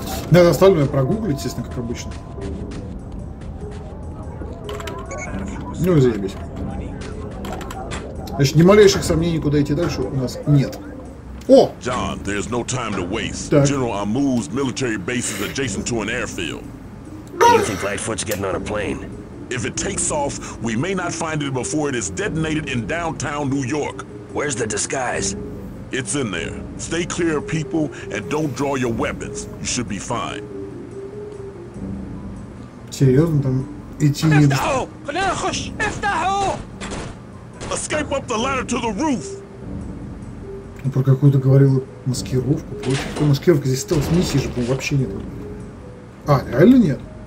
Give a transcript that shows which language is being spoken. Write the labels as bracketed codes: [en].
[ru] Надо остальное прогуглить, естественно, как обычно. Ну, заебись. Значит, ни малейших сомнений, куда идти дальше у нас нет. О! [en] John, there's no time to waste. [ru] Так. [en] General Amu's military base is adjacent to an airfield. What do you think Lightfoot's getting on a plane? If it takes off, we may not find it before it is detonated in downtown New York. Where's the disguise? It's in there. Stay clear of people and don't draw your weapons. You should be fine. [ru] Серьезно, там идти не надо. [en] Escape up the ladder to the roof. [ru] Про какую-то говорил маскировку. Какая маскировка? Здесь стелс миссии же вообще нет. А, реально нет?